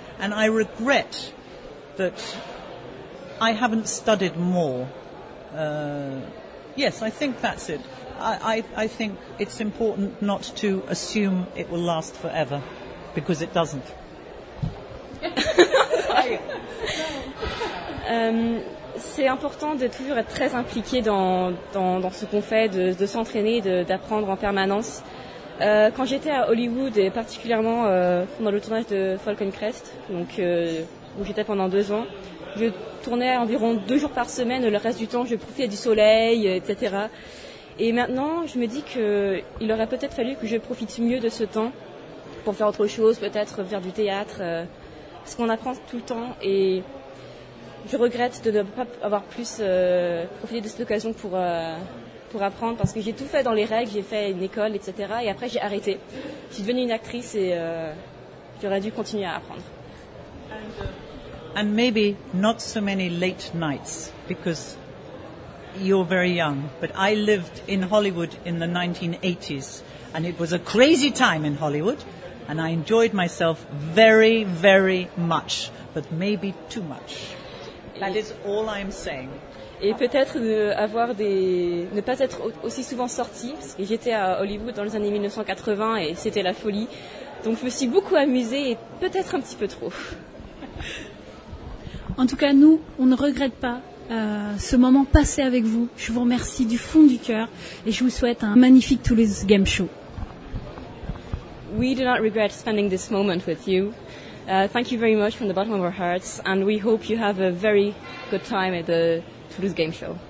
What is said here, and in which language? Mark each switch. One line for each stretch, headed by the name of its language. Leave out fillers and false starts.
English: And I regret that I haven't studied more. Yes, I think that's it. I think it's important not to assume it will last forever, because it doesn't.
French: C'est important de toujours être très impliqué dans ce qu'on fait, de s'entraîner, d'apprendre en permanence. Quand j'étais à Hollywood, et particulièrement pendant le tournage de Falcon Crest, donc où j'étais pendant 2 ans, je tournais environ 2 jours par semaine. Le reste du temps, je profitais du soleil, etc. Et maintenant, je me dis qu'il aurait peut-être fallu que je profite mieux de ce temps pour faire autre chose, peut-être faire du théâtre, parce qu'on apprend tout le temps. Et je regrette de ne pas avoir plus profité de cette occasion pour apprendre, parce que j'ai tout fait dans les règles, j'ai fait une école, etc. Et après, j'ai arrêté. Je suis devenue une actrice et j'aurais dû continuer à apprendre.
English: And maybe not so many late nights, because you're very young, but I lived in Hollywood in the 1980s, and it was a crazy time in Hollywood, and I enjoyed myself very, very much, but maybe too much. That is all I'm saying.
French: Et peut-être ne pas être aussi souvent sortie, parce que j'étais à Hollywood dans les années 1980 et c'était la folie. Donc je me suis beaucoup amusée et peut-être un petit peu trop. En tout cas, nous, on ne regrette pas ce moment passé avec vous. Je vous remercie du fond du cœur et je vous souhaite un magnifique Toulouse Game Show.
English: We do not regret spending this moment with you. Thank you very much from the bottom of our hearts, and we hope you have a very good time at the Toulouse Game Show.